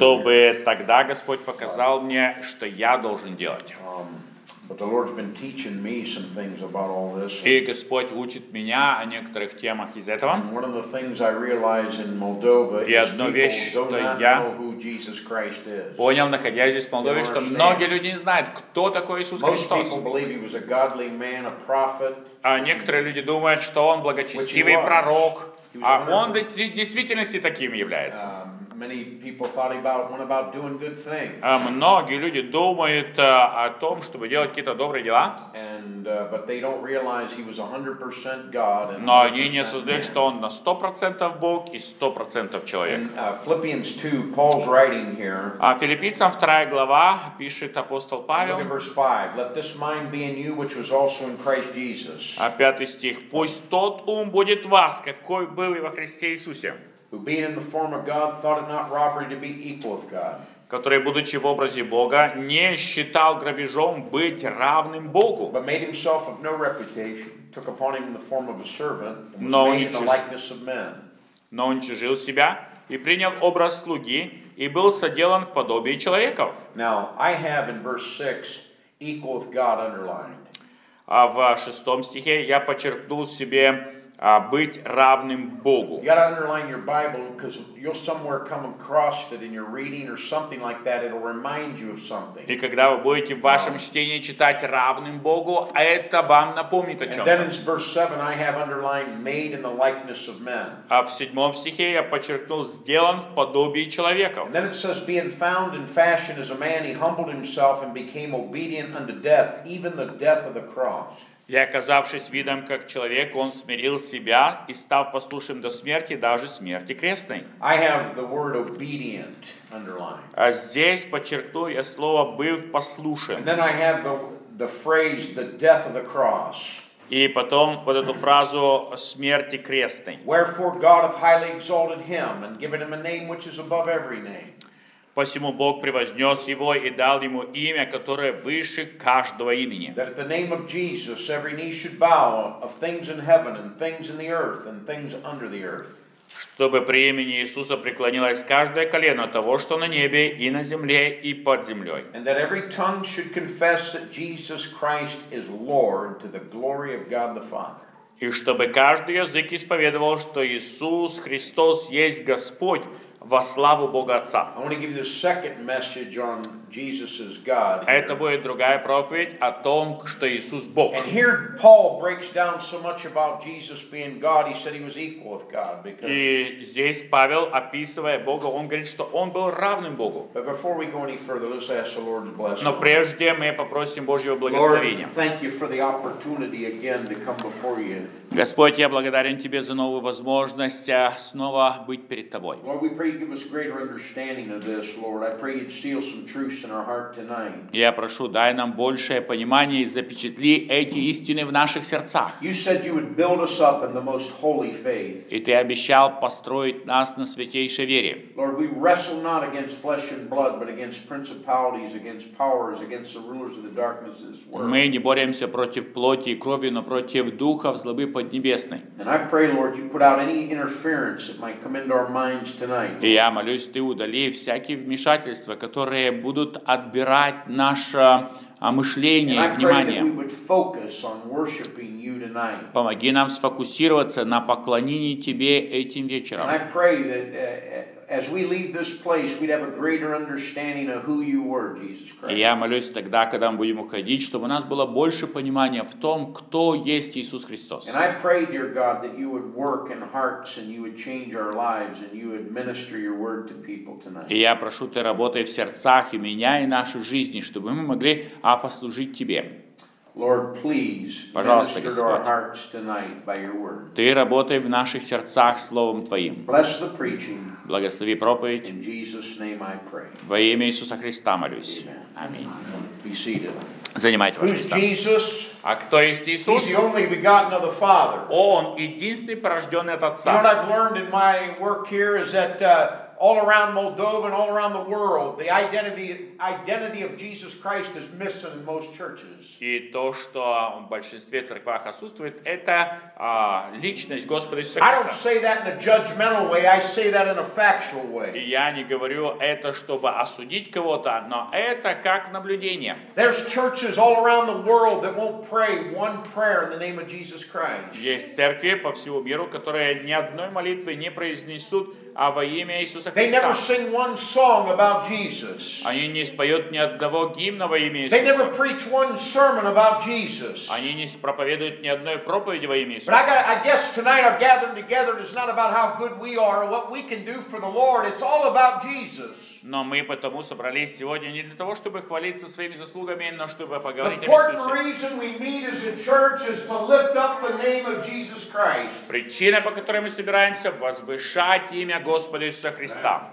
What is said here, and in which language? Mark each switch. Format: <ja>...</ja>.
<ru>Чтобы тогда Господь показал мне, что я должен делать.</ru> <en>But the Lord's been teaching me some things about all this.</en> <ru>И Господь учит меня о некоторых темах из этого.</ru> <en>And one of the things I realize in Moldova is people do not know who Jesus Christ is.</en> <ru>Понял, находясь здесь в Молдове, что многие люди не знают, кто такой Иисус Христос.</ru> <en>Most people believe he was a godly man, a prophet.</en> <ru>А некоторые люди думают, что он благочестивый пророк, а он в действительности таким является.</ru> <en>Many people thought about doing good things.</en> <ru>Многие люди думают о том, чтобы делать какие-то добрые дела.</ru> <en>And but they don't realize he was 100% God.</en> <ru>Но они не осознают, что он на 100% Бог и 100% человек.</ru> <en>Philippians 2, Paul's writing here.</en> <ru>Филиппийцам 2 глава пишет апостол Павел.</ru> <en>Verse 5. Let this mind be in you, which was also in Christ Jesus.</en> <ru>5 стих. Пусть тот ум будет в вас, какой был и во Христе Иисусе.</ru> <en>Who being in the form of God thought it not robbery to be equal with God.</en> <ru>Который, будучи в образе Бога, не считал грабежом быть равным Богу.</ru> <en>But made himself of no reputation, took upon him the form of a servant, and was made in the likeness of men.</en> <ru>Но уничижил себя и принял образ слуги и был соделан в подобии человеков.</ru> <en>Now I have in verse 6 equal with God underlined.</en> <ru>А в шестом стихе я подчеркнул себе быть равным Богу.</ru> <en>You gotta underline your Bible because you'll somewhere come across it in your reading or something like that. It'll remind you of something.</en> <ru>И когда вы будете в вашем чтении читать равным Богу, это вам напомнит о чем-то.</ru> <en>And then in verse 7 I have underlined made in the likeness of men.</en> <ru>А в седьмом стихе я подчеркнул сделан в подобии человека.</ru> <en>And then it says being found in fashion as a man, he humbled himself and became obedient unto death, even the death of the cross.</en> <ru>И оказавшись видом как человек, он смирил себя и став послушным до смерти, даже смерти крестной.</ru> <en>I have the word obedient underlined.</en> <ru>А здесь подчеркну я слово «быв послушен».</ru> <en>And then I have the phrase «the death of the cross».</en> <ru>И потом вот эту фразу «смерти крестной».</ru> <en>Wherefore God hath highly exalted him and given him a name which is above every name.</en> <ru>Посему Бог превознес его и дал ему имя, которое выше каждого имени.</ru> <en>That at the name of Jesus every knee should bow of things in heaven and things in the earth and things under the earth.</en> <ru>Чтобы при имени Иисуса преклонилось каждое колено того, что на небе и на земле и под землей.</ru> <en>And that every tongue should confess that Jesus Christ is Lord to the glory of God the Father.</en> <ru>И чтобы каждый язык исповедовал, что Иисус Христос есть Господь, во славу Бога Отца.</ru> <en>I want to give you the second message on Jesus as God.</en> <ru>Это будет другая проповедь о том, что Иисус Бог.</ru> <en>And here Paul breaks down so much about Jesus being God. He said he was equal with God because.</en> <ru>И здесь Павел, описывая Бога, он говорит, что он был равным Богу.</ru> <en>But before we go any further, let's ask the Lord's blessing.</en> <ru>Но прежде мы попросим Божьего благословения.</ru> <en>Lord, thank you for the opportunity again to come before you.</en> <ru>Господь, я благодарен Тебе за новую возможность снова быть перед Тобой.</ru> <en>Lord, we pray you give us greater understanding of this, Lord. I pray you'd seal some truths in our heart tonight.</en> <ru>Я прошу, дай нам большее понимание и запечатли эти истины в наших сердцах.</ru> <en>You said you would build us up in the most holy faith.</en> <ru>И Ты обещал построить нас на святейшей вере.</ru> <en>Lord, we wrestle not against flesh and blood, but against principalities, against powers, against the rulers of the darkness of this world.</en> <ru>Мы не боремся против плоти и крови, но против духов злобы поднебесной.</ru> <en>And I pray, Lord, you put out any interference that might come into our minds tonight.</en> <ru>И я молюсь, Ты удали всякие вмешательства, которые будут отбирать наше мышление, внимание.</ru> <en>And I pray that we would focus on worshiping you tonight.</en> <ru>Помоги нам сфокусироваться на поклонении Тебе этим вечером.</ru> <en>And I pray that as we leave this place, we'd have a greater understanding of who you were, Jesus Christ.</en> <ru>Я молюсь тогда, когда мы будем уходить, чтобы у нас было больше понимания в том, кто есть Иисус Христос.</ru> <en>And I pray, dear God, that you would work in hearts and you would change our lives and you would minister your word to people tonight.</en> <ru>И я прошу, Ты работай в сердцах и меняй наши жизни, чтобы мы могли послужить Тебе.</ru> <en>Lord, please</en> <ru>Пожалуйста,</ru> <en>minister</en> <ru>Господь,</ru> <en>to our hearts tonight by your word.</en> <ru>Ты работай в наших сердцах словом Твоим.</ru> <en>Bless the preaching.</en> <ru>Благослови проповедь.</ru> <en>In Jesus' name I pray.</en> <ru>Во имя Иисуса Христа молюсь.</ru> <en>Amen. Аминь. Be seated.</en> <ru>занимайте ваши места. А кто есть Иисус?</ru> <en>He's the only begotten of the Father.</en> <ru>Он единственный порожденный от Отца.</ru> <en>You know what I've learned in my work here is that all around Moldova and all around the world, the identity of Jesus Christ is missing in most churches.</en> <ru>И то, что в большинстве церквах отсутствует, это личность Господа Иисуса</ru> <en>Христа. I don't say that in a judgmental way. I say that in a factual way.</en> <ru>И я не говорю это, чтобы осудить кого-то, но это как наблюдение.</ru> <en>There's churches all around the world that won't pray one prayer in the name of Jesus Christ.</en> <ru>Есть церкви по всему миру, которые ни одной молитвы не произнесут. А во имя Иисуса Христа.</ru> <en>They never sing one song about Jesus.</en> <ru>Они не споют ни одного гимна во имя Иисуса.</ru> <en>They never preach one sermon about Jesus.</en> <ru>Они не проповедуют ни одной проповеди во имя Иисуса.</ru> <en>But I guess tonight our gathering together is not about how good we are or what we can do for the Lord. It's all about Jesus.</en> <ru>Но мы потому собрались сегодня не для того, чтобы хвалиться своими заслугами, но чтобы поговорить</ru> <en>the important о reason we meet as a church is to lift up the name of Jesus Christ.</en> <ru>Причина, по которой мы собираемся, возвышать имя Господа Иисуса Христа.</ru>